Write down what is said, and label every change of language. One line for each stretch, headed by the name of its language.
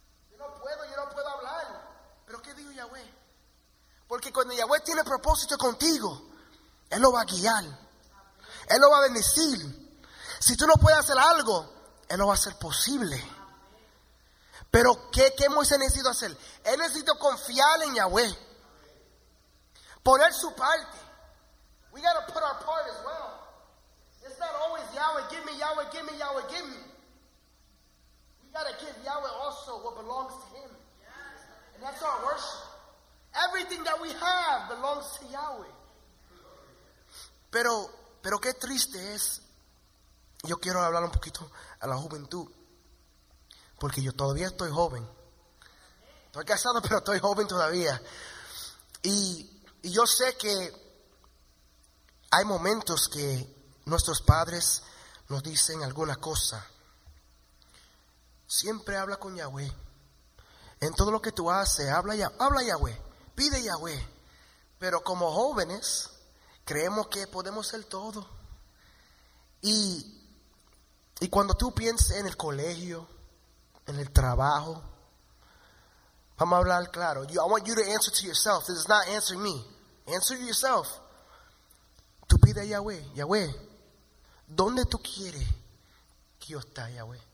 Spanish: Yo no puedo hablar. Pero ¿qué dijo Yahweh? Porque cuando Yahweh tiene propósito contigo, Él lo va a guiar. Él lo va a bendecir. Si tú no puedes hacer algo, Él lo va a hacer posible. Pero ¿qué Moisés necesita hacer? Él necesita confiar en Yahweh. Poner su parte.
English: We got to put our part as well. It's not always Yahweh, give me Yahweh, give me Yahweh, give me. We got to give Yahweh also what belongs to Him. And that's our worship. Everything that we have belongs to Yahweh.
Spanish: Pero qué triste es, yo quiero hablar un poquito a la juventud, porque yo todavía estoy joven, estoy casado pero estoy joven todavía, y yo sé que hay momentos que nuestros padres nos dicen alguna cosa. Siempre habla con Yahweh, en todo lo que tú haces, habla Yahweh, pide Yahweh, pero como jóvenes creemos que podemos ser todo. Y cuando tú piensas en el colegio, en el trabajo, vamos a hablar claro.
English: I want you to answer to yourself. This is not answering me. Answer yourself.
Spanish: Tú pide a Yahweh, ¿dónde tú quieres que yo esté, Yahweh?